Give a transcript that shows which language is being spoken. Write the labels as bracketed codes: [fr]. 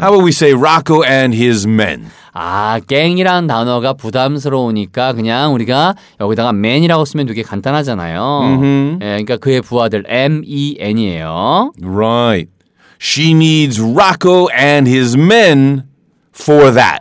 [en] How about we say Rocco and his men? [ko] 아, 갱이란 단어가 부담스러우니까 그냥 우리가 여기다가 men이라고 쓰면 되게 간단하잖아요. Mm-hmm. 예, 그러니까 그의 부하들 men이에요. [en] Right. She needs Rocco and his men for that.